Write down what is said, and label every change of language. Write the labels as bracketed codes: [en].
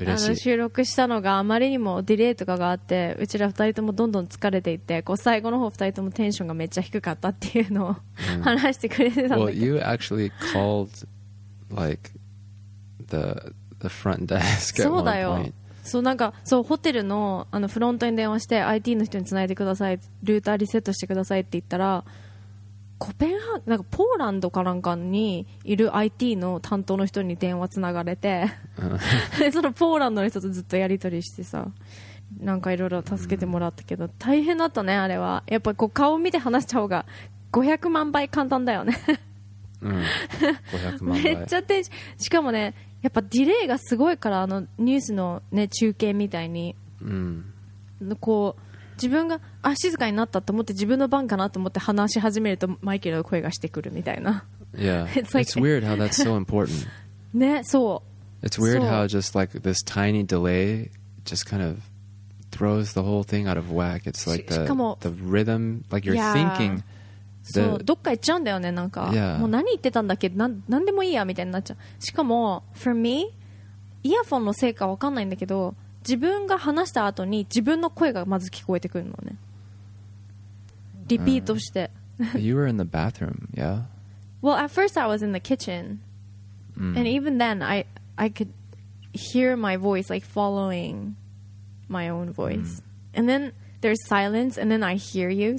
[ja] の収録したのがあまりにもディレイとかがあって、うちら2人ともどんどん疲れていて、こう最後の方2人ともテンションがめっちゃ低かったっていうのを話してくれてたんだけど、 [en] Well, you actually called like the front desk at one point。 [ja] そう、なんかそうホテル あのフロントに電話して IT の人につないでください、ルーターリセットしてくださいって言ったら、コペンハーなんかポーランドかなんかにいる IT の担当の人に電話つながれてそのポーランドの人とずっとやり取りしてさ、なんかいろいろ助けてもらったけど、大変だったねあれは。やっぱり顔を見て話した方が500万倍簡単だよね。 500万倍めっちゃテンション、しかもね、やっぱディレイがすごいから、あのニュースの、ね、中継みたいに、うん、こう自分が、あ、静かになったと思って自分の番かなと思って話し始めるとマイケルの声がしてくるみたいな。 [en] Yeah, it's, like, it's weird how that's so important. [ja] ね、そう、 [en] It's weird how just like this tiny delay just kind of throws the whole thing out of whack. It's like the rhythm, like you're thinking、 yeah. [ja] そう、どっか行っちゃうんだよね、なんか、 [en] yeah. [ja] もう何言ってたんだっけ、なんでもいいやみたいになっちゃう。しかも [en] for me [ja] イヤフォンのせいか分かんないんだけど、自分が話した後に自分の声がまず聞こえてくるのね、リピートして、 [en] You were in the bathroom, yeah? Well, at first I was in the kitchen. Mm. And even then, I could hear my voice, like, following my own voice. Mm. And then there's silence, and then I hear you.